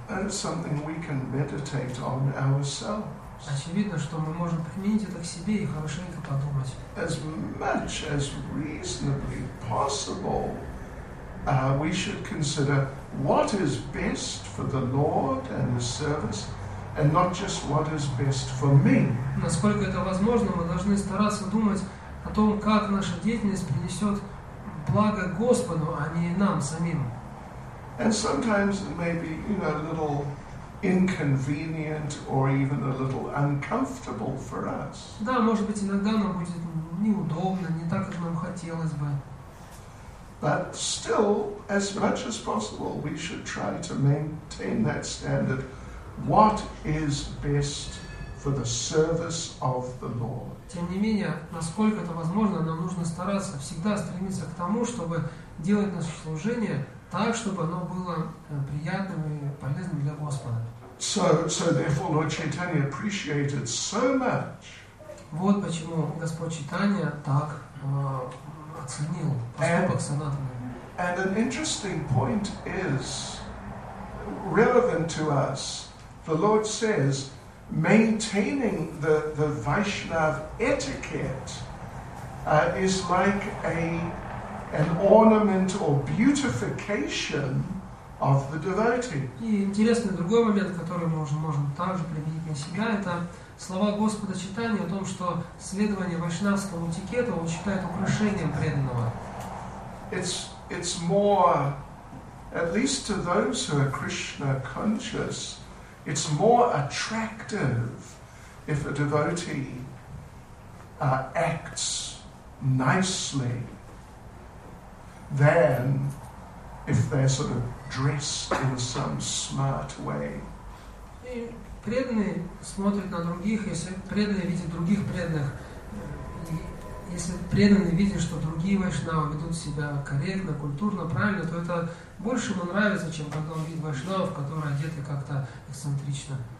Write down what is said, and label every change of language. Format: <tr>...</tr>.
<en>And it's something we can meditate on ourselves.</en> <ru>Очевидно, что мы можем применить это к себе и хорошенько подумать.</ru> <en>As much as reasonably possible, we should consider what is best for the Lord and His service, and not just what is best for me.</en> <ru>Насколько это возможно, мы должны стараться думать о том, как наша деятельность принесет благо Господу, а не нам самим.</ru> <en>And sometimes it may be, you know, a little inconvenient or even a little uncomfortable for us.</en> <ru>Да, может быть, иногда нам будет неудобно, не так, как нам хотелось бы.</ru> <en>But still, as much as possible, we should try to maintain that standard. What is best for the service of the Lord?</en> <ru>Тем не менее, насколько это возможно, нам нужно стараться всегда стремиться к тому, чтобы делать наше служение так, чтобы оно было приятным и полезным для Господа.</ru> <en>So therefore, Lord Chaitanya appreciated so much.</en> <ru>Вот почему Господь Чайтанья так оценил поступок Санатаны.</ru> <en>And an interesting point is relevant to us. The Lord says, maintaining the Vaishnav etiquette is like an ornament or beautification of the devotee.</en> <ru>И интересный другой момент, который мы уже можем также применить на себя, это слова Господа Чайтаньи о том, что следование вайшнавскому этикету он считает украшением преданного.</ru> <en>It's more, at least to those who are Krishna conscious, it's more attractive if a devotee acts nicely than if they're sort of dressed in some smart way.</en> <ru>Преданные смотрят на других, если преданные видят других преданных, если преданные видят, что другие вайшнавы ведут себя корректно, культурно, правильно, то это больше ему нравится, чем когда он видит вайшнавов, которые одеты как-то эксцентрично.</ru>